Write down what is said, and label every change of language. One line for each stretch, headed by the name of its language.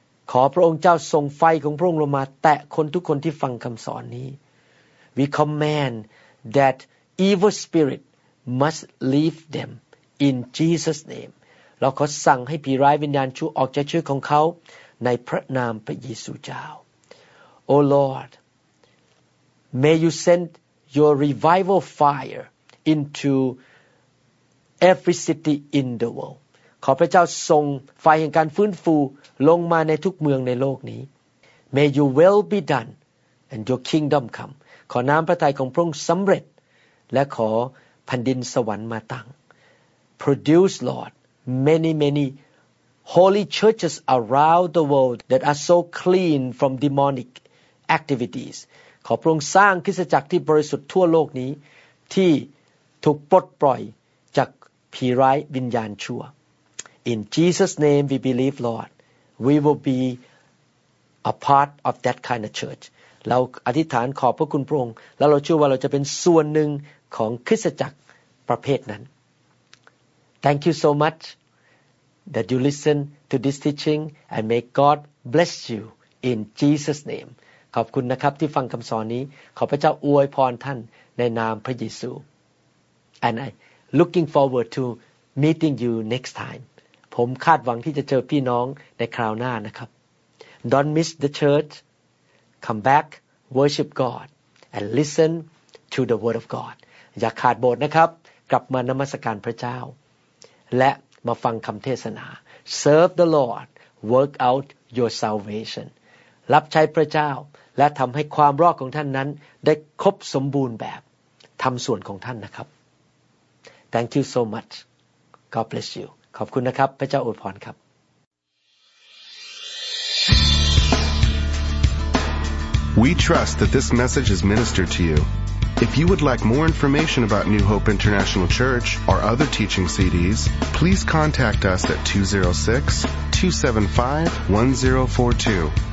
Thai: ขอพระองค์เจ้าส่งไฟของพระองค์ลงมาแตะคนทุกคนที่ฟังคำสอนนี้
English: We command that evil spirit must leave them in Jesus' name.
Thai: เราขอสั่งให้ผีร้ายวิญญาณชั่วออกจากชีวิตของเขาในพระนามพระเยซูเจ้า
English: O Lord, may you send your revival fire into every city in the world.
Thai: ขอพระเจ้าทรงไฟแห่งการฟื้นฟูลงมาในทุกเมืองในโลกนี้
English: May your will be done and your kingdom come.
Thai: ขอน้ำพระทัยของพระองค์สำเร็จและขอแผ่นดินสวรรค์มาตั้ง
English: Produce Lord many many holy churches around the world that are so clean from demonic activities.
Thai: ขอพระองค์สร้างคริสตจักรที่บริสุทธิ์ทั่วโลกนี้ที่ถูกปลดปล่อยจากผีร้ายวิญญาณชั่ว
English: In Jesus' name we believe, Lord. We will be a part of that kind of church.
Thai: เราอธิษฐานขอบพระคุณพระองค์แล้วเราเชื่อว่าเราจะเป็นส่วนหนึ่งของคริสตจักรประเภทนั้น
English: Thank you so much that you listen to this teaching and may God bless you in Jesus' name.
Thai: ขอบคุณนะครับที่ฟังคำสอนนี้ขอพระเจ้าอวยพรท่านในนามพระเยซู
English: And I looking forward to meeting you next time.
Thai: ผมคาดหวังที่จะเจอพี่น้องในคราวหน้านะครับ
English: Don't miss the church. Come back, worship God, and listen to the Word of God.
Thai: อย่าขาดโบสถ์นะครับกลับมานมัสการพระเจ้าและมาฟังคำเทศนา
English: Serve the Lord, work out your salvation.
Thai: รับใช้พระเจ้าและทำให้ความรอดของท่านนั้นได้ครบสมบูรณ์แบบทำส่วนของท่านนะครับ
English: Thank you so much. God bless you.
Thai: ขอบคุณนะครับพระเจ้าอวยพรครับ
English: We trust that this message is ministered to you. If you would like more information about New Hope International Church or other teaching CDs, please contact us at 206-275-1042.